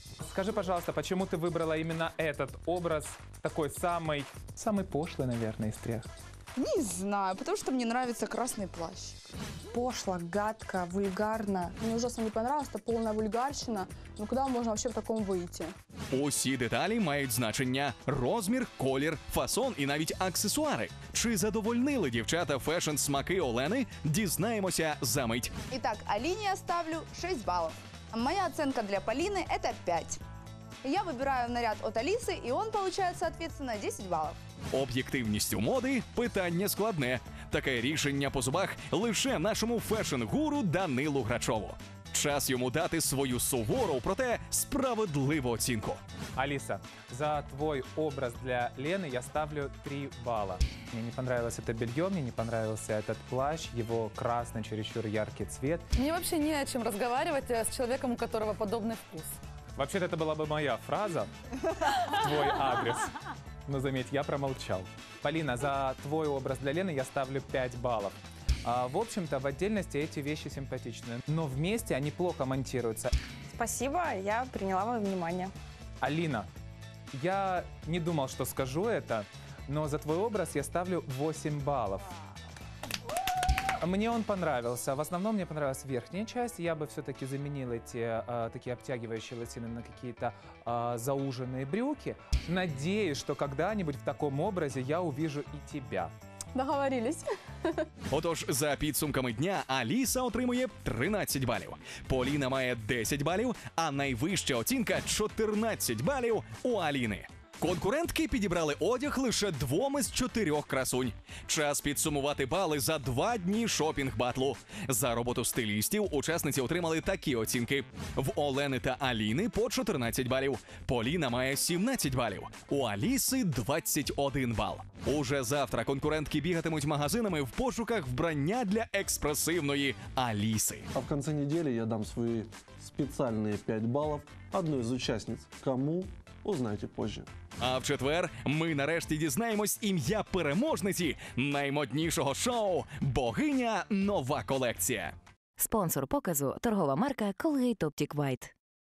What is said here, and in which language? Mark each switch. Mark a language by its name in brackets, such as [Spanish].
[Russian] Скажи, пожалуйста, почему ты выбрала именно этот образ, такой самый пошлый, наверное, из трех? Не знаю, потому что мне нравится красный плащ. Пошло, гадко, вульгарно. Мне ужасно не понравилось, это полная вульгарщина. Ну куда можно вообще в таком выйти? [Ukrainian] Усі деталі мають значення. Розмір, колір, фасон і навіть аксесуари. Чи задовольнили дівчата фешн-смаки Олени, дізнаємося за мить. І так, Аліні я ставлю 6 балів. [Russian] Моя оценка для Полины – это 5. Я выбираю наряд от Алисы, и он получает, соответственно, 10 баллов. [Ukrainian] Об'єктивність у моди – питання складне. Таке рішення по зубах лише нашому фешн-гуру Данилу Грачову. Час йому дати свою сувору, проте справедливу оцінку. [Russian] Аліса, за твой образ для Лени я ставлю 3 балла. Мне не понравилось это белье, мне не понравился этот плащ, его красный, чересчур яркий цвет. Мне вообще не о чем разговаривать с человеком, у которого подобный вкус. Вообще-то это была бы моя фраза в твой адрес. Но заметь, я промолчал. Полина, за твой образ для Лены я ставлю 5 баллов. А, в общем-то, в отдельности эти вещи симпатичны, но вместе они плохо монтируются. Спасибо, я приняла ваше внимание. Алина, я не думал, что скажу это, но за твой образ я ставлю 8 баллов. Мне он понравился. В основном мне понравилась верхняя часть. Я бы все-таки заменил эти такие обтягивающие лосины на какие-то зауженные брюки. Надеюсь, что когда-нибудь в таком образе я увижу и тебя. Договорились. [Ukrainian] Отож, за підсумками дня Аліса отримує 13 балів. Поліна має 10 балів, а найвища оцінка 14 балів у Аліни. Конкурентки підібрали одяг лише двом із чотирьох красунь. Час підсумувати бали за 2 дні шопінг-батлу. За роботу стилістів учасниці отримали такі оцінки. В Олени та Аліни по 14 балів. Поліна має 17 балів. У Аліси 21 бал. Уже завтра конкурентки бігатимуть магазинами в пошуках вбрання для експресивної Аліси. А в кінці тижня я дам свої спеціальні 5 балів одній з учасниць. [Russian] Кому? Узнаєте позже. [Ukrainian] А в четвер ми нарешті дізнаємось ім'я переможниці наймоднішого шоу «Богиня. Нова колекція». Спонсор показу – торгова марка «Colgate Optic White».